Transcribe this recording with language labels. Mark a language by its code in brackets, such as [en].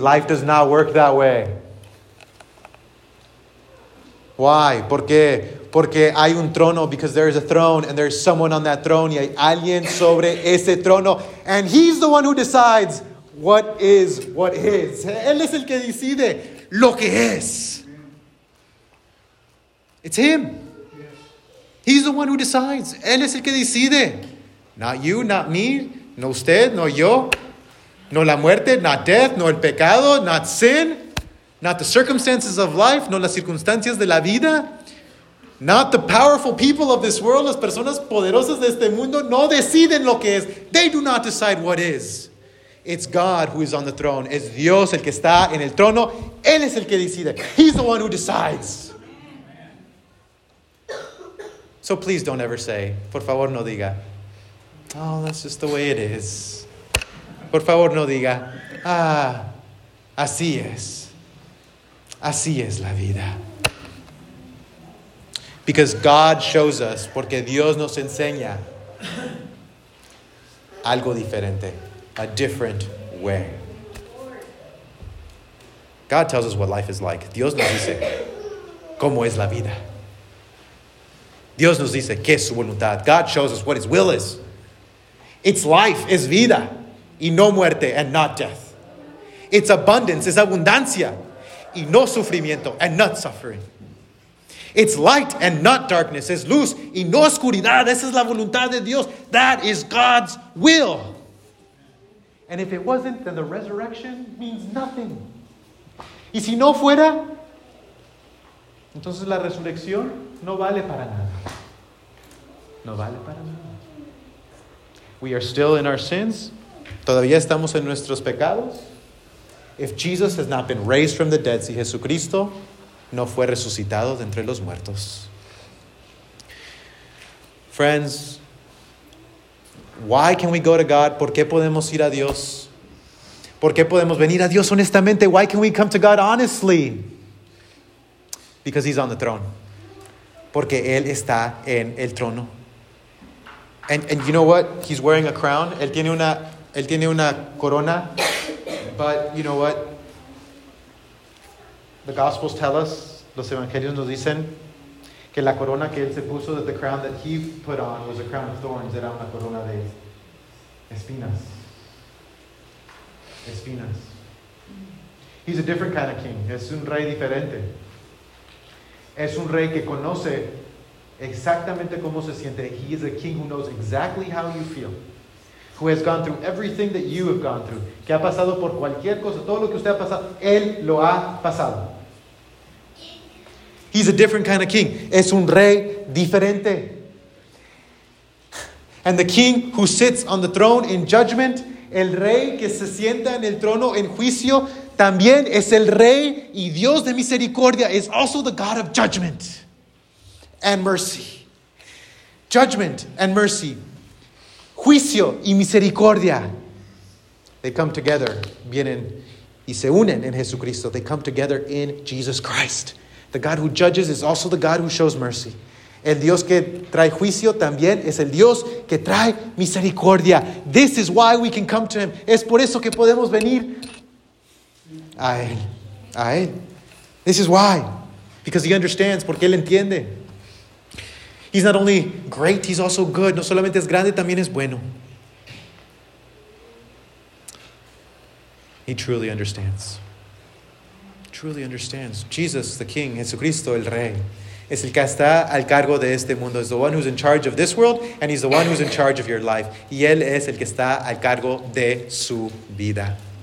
[en] Life does not work that way. Why? [es] ¿Por qué? Porque hay un trono. [en] Because there is a throne and there is someone on that throne. [es] Y hay alguien sobre ese trono. [en] And he's the one who decides what is what is. [es] Él es el que decide lo que es. [en] It's him. He's the one who decides. [es] Él es el que decide. [en] Not you, not me, [es] no usted, no yo, no la muerte, [en] not death, [es] no el pecado, [en] not sin, not the circumstances of life, [es] no las circunstancias de la vida, [en] not the powerful people of this world, [es] las personas poderosas de este mundo, no deciden lo que es. [en] They do not decide what is. It's God who is on the throne. [es] Es Dios el que está en el trono. Él es el que decide. [en] He's the one who decides. So please don't ever say, [es] por favor no diga, [en] oh, that's just the way it is. [es] Por favor, no diga, ah, así es. Así es la vida. [en] Because God shows us, [es] porque Dios nos enseña algo diferente, [en] a different way. God tells us what life is like. [es] Dios nos dice cómo es la vida. Dios nos dice qué es su voluntad. [en] God shows us what his will is. It's life, [es] es vida, y no muerte, [en] and not death. It's abundance, [es] es abundancia, y no sufrimiento, [en] and not suffering. It's light and not darkness, [es] es luz, y no oscuridad. Esa es la voluntad de Dios. [en] That is God's will. And if it wasn't, then the resurrection means nothing. [es] Y si no fuera, entonces la resurrección no vale para nada. No vale para nada. [en] We are still in our sins. [es] Todavía estamos en nuestros pecados. [en] If Jesus has not been raised from the dead, [es] si Jesucristo no fue resucitado de entre los muertos. [en] Friends, why can we go to God? [es] ¿Por qué podemos ir a Dios? ¿Por qué podemos venir a Dios honestamente? [en] Why can we come to God honestly? Because he's on the throne. [es] Porque él está en el trono. [en] And you know what? He's wearing a crown. [es] Él tiene una corona. [en] But you know what? The Gospels tell us, [es] los evangelios nos dicen, que la corona que él se puso, [en] that the crown that he put on was a crown of thorns. [es] Era una corona de espinas. Espinas. [en] He's a different kind of king. [es] Es un rey diferente. Es un rey que conoce exactamente como se siente. [en] He is a king who knows exactly how you feel. Who has gone through everything that you have gone through. [es] Que ha pasado por cualquier cosa. Todo lo que usted ha pasado, él lo ha pasado. [en] He's a different kind of king. [es] Es un rey diferente. [en] And the king who sits on the throne in judgment, [es] el rey que se sienta en el trono en juicio, también es el rey y Dios de misericordia. [en] Is also the God of judgment. And mercy. Judgment and mercy. [es] Juicio y misericordia. [en] They come together. [es] Vienen y se unen en Jesucristo. [en] They come together in Jesus Christ. The God who judges is also the God who shows mercy. [es] El Dios que trae juicio también es el Dios que trae misericordia. [en] This is why we can come to him. [es] Es por eso que podemos venir a él. A él. [en] This is why. Because he understands. [es] Porque él entiende. [en] He's not only great, he's also good. [es] No solamente es grande, también es bueno. [en] He truly understands. Truly understands. [es] Jesus, the King, Jesucristo, el Rey, es el que está al cargo de este mundo. [en] Es the one who's in charge of this world, and he's the one who's in charge of your life. [es] Y él es el que está al cargo de su vida.